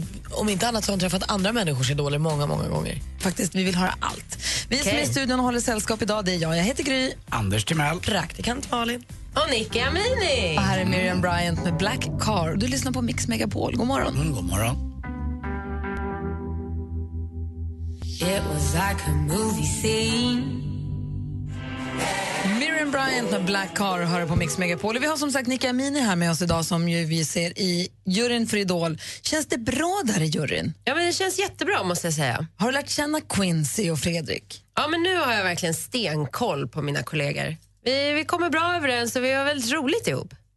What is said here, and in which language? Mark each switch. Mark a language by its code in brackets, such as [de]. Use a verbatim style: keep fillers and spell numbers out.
[sv] Om inte annat så har han träffat andra människors idoler många, många gånger. Faktiskt, vi vill höra allt. Vi okay. som är i studion och håller sällskap idag, det är jag. Jag heter Gry. Anders Timell. Praktikant Malin. Och Nicky Amini. Och här är Miriam Bryant med Black Car. Du lyssnar på Mix Megapol. God morgon. Mm, god morgon. [en] It was like a movie scene. [sv] Miriam Bryant med Black Car hör på Mix Megapol. Vi har som sagt Nicki Amini här med oss idag, som ju vi ser i juryn för Idol. Känns det bra där i juryn? Ja, men det känns jättebra, måste jag säga. Har du lärt känna Quincy och Fredrik? Ja, men nu har jag verkligen stenkoll på mina kollegor. Vi, vi kommer bra överens och vi har väldigt roligt ihop.